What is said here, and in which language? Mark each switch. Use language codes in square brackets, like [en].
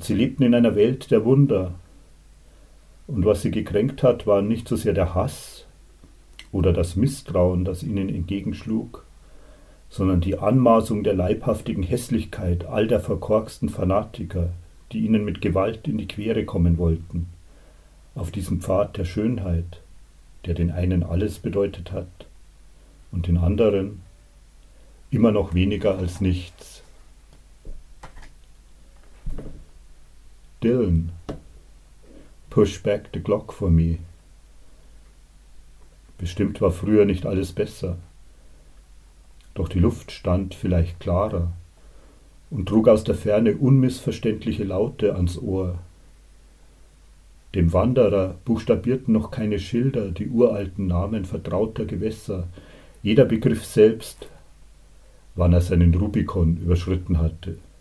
[de] Sie lebten in einer Welt der Wunder. Und was sie gekränkt hat, war nicht so sehr der Hass oder das Misstrauen, das ihnen entgegenschlug, sondern die Anmaßung der leibhaftigen Hässlichkeit all der verkorksten Fanatiker, die ihnen mit Gewalt in die Quere kommen wollten, auf diesem Pfad der Schönheit, der den einen alles bedeutet hat und den anderen immer noch weniger als nichts. [en] Dylan, push back the clock for me. [de] Bestimmt war früher nicht alles besser, doch die Luft stand vielleicht klarer und trug aus der Ferne unmissverständliche Laute ans Ohr. Dem Wanderer buchstabierten noch keine Schilder die uralten Namen vertrauter Gewässer, jeder begriff selbst, wann er seinen Rubikon überschritten hatte.